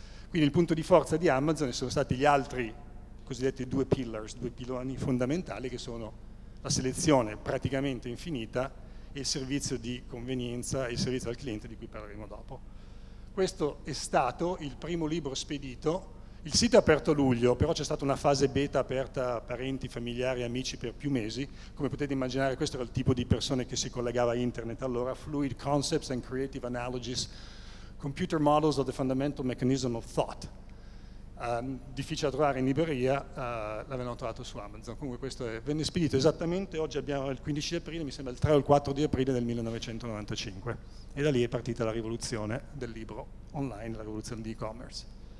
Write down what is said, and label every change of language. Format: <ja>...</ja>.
<it>Quindi il punto di forza di Amazon sono stati gli altri cosiddetti due pillars, due piloni fondamentali, che sono la selezione praticamente infinita e il servizio di convenienza e il servizio al cliente, di cui parleremo dopo. Questo è stato il primo libro spedito. Il sito è aperto a luglio, però c'è stata una fase beta aperta a parenti, familiari, amici per più mesi. Come potete immaginare, questo era il tipo di persone che si collegava a internet allora.</it> <en>Fluid concepts and creative analogies, computer models of the fundamental mechanism of thought.</en> <it>Difficile da trovare in libreria, l'avevano trovato su Amazon. Comunque questo venne spedito esattamente oggi, abbiamo il 15 di aprile, mi sembra il 3 o il 4 di aprile del 1995, e da lì è partita la rivoluzione del libro online, la rivoluzione di e-commerce.</it>